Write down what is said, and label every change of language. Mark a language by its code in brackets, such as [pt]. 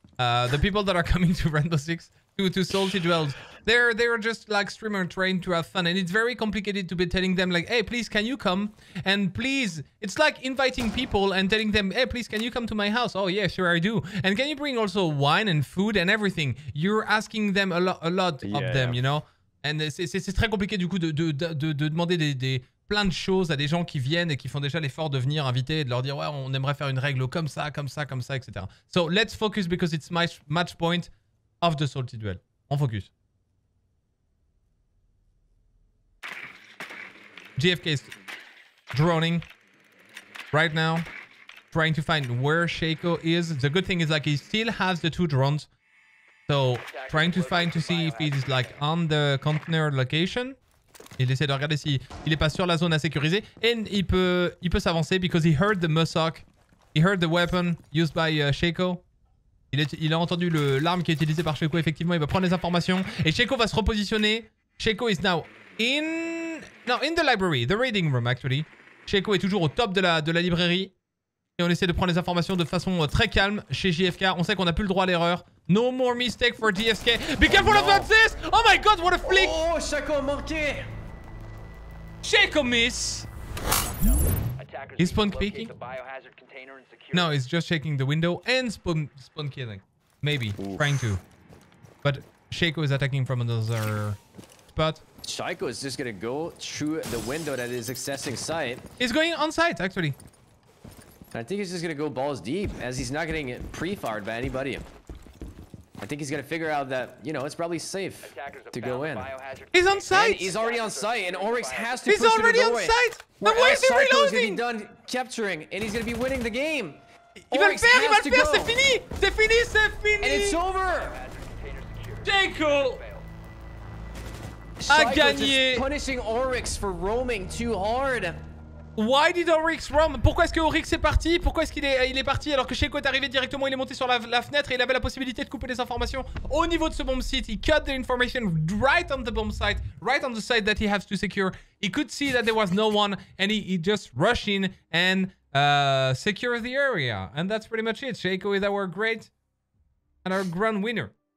[en] The people that are coming to Rainbow Six, to Salty Duels, they're just like streamer trained to have fun. And it's very complicated to be telling them like, hey, please, can you come? And please, it's like inviting people and telling them, hey, please, can you come to my house? Oh, yeah, sure, I do. And can you bring also wine and food and everything? You're asking them a lot of them, you know? [fr] And c'est très compliqué du coup de demander des plein de choses à des gens qui viennent et qui font déjà l'effort de venir inviter et de leur dire, ouais, on aimerait faire une règle comme ça, etc. [en] So let's focus because it's my match point of the Salty Duel. On focus. JFK is droning right now, trying to find where SHAIIKO is. The good thing is like he still has the two drones. So trying to find to see if he's like on the container location. [fr] Il essaie de regarder s'il est pas sur la zone à sécuriser. Et il peut s'avancer [en] because he heard the musok. He heard the weapon used by SHAIIKO. [fr] Il a entendu l'arme qui est utilisée par SHAIIKO. Effectivement, il va prendre les informations. Et SHAIIKO va se repositionner. [en] SHAIIKO is now in... No, in the library, the reading room actually. [fr] SHAIIKO est toujours au top de la librairie. Et on essaie de prendre les informations de façon très calme chez JFK. On sait qu'on n'a plus le droit à l'erreur. [en] No more mistake for JFK. Be careful of this! Oh my god, what a flick! [fr] Oh, SHAIIKO a manqué! [en] SHAIIKO miss! He's spawn peeking? No, he's just shaking the window and spawn killing. Maybe, trying to. But SHAIIKO is attacking from another spot. SHAIIKO is just gonna go through the window that is accessing site. He's going on site, actually. I think he's just gonna go balls deep as he's not getting pre-fired by anybody. I think he's gonna figure out that, you know, it's probably safe to go in. He's on site! And he's already on site and Oryx has to push him. He's already on site! Then why is he reloading? He's gonna be done capturing and he's gonna be winning the game. [fr] Il va le faire, il va le faire, c'est fini. C'est fini, c'est fini. [en] And it's over. [fr] Jayco a gagné. [en] Punishing Oryx for roaming too hard. Why did Oryx roam? [fr] Pourquoi est-ce que Oryx est parti? Pourquoi est-ce qu'il est parti alors que Shaiiko est arrivé directement? Il est monté sur la fenêtre et il avait la possibilité de couper les informations au niveau de ce bomb site. [en] He cut the information right on the bomb site, right on the site that he has to secure. He could see that there was no one and he just rushed in and secured the area. And that's pretty much it. Shaiiko is our great and our grand winner.